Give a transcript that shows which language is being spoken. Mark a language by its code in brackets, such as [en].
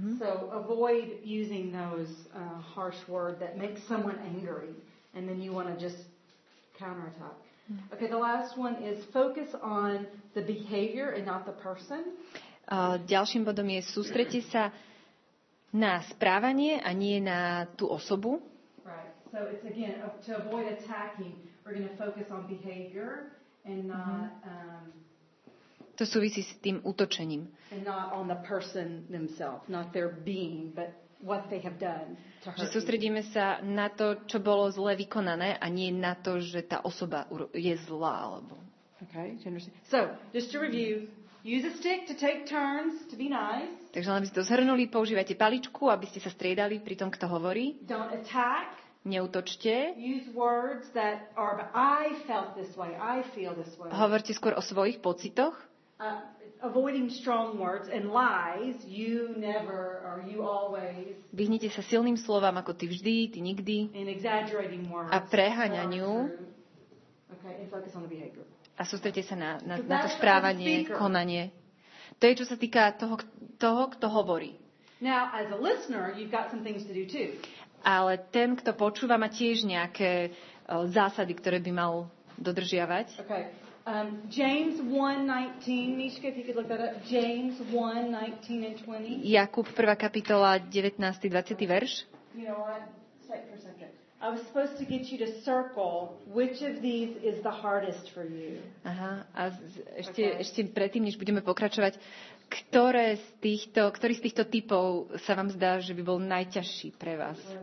[en] So avoid using those harsh words that make someone angry and then you want to just counterattack. Okay, the last one is focus on the behavior and not the person. [sk] Ďalším bodom je sústrediť sa na správanie a nie na tú osobu. [en] Right. So it's again to avoid attacking, we're going to focus on behavior and not [sk] to súvisí s tým útočením. Že sústredíme sa na to, čo bolo zle vykonané, a nie na to, že tá osoba je zlá alebo. [en] Okay, so, just to review, use a stick to take turns to be nice. [sk] Takže len by ste to zhrnuli, používajte paličku, aby ste sa striedali pri tom, kto hovorí. [en] Don't attack. [sk] Neútočte. [en] Use words that are I felt this way. I feel this way. [sk] Hovorte skôr o svojich pocitoch. [en] avoiding strong words and lies, you never or you always. [sk] Vyhnite sa silným slovám ako ty vždy, ty nikdy. [en] And exaggerating words. [sk] A prehaňaniu. [en] Okay, and focus on the behavior. [sk] A sústrete sa na to správanie, konanie. To je, čo sa týka toho, kto hovorí. [en] Now, as a listener, you've got some things to do too. [sk] Ale ten, kto počúva, má tiež nejaké zásady, ktoré by mal dodržiavať. [en] Okay. James 1:19, Miška, if you could look that up. James 1:19-20. Jakub 1. kapitola, 19. 20. verš. You know what? Stay for a second. I was supposed to get you to circle which of these is the hardest for you. [sk] Aha, a ešte, okay. Ešte predtým, než budeme pokračovať, ktorý z týchto typov sa vám zdá, že by bol najťažší pre vás?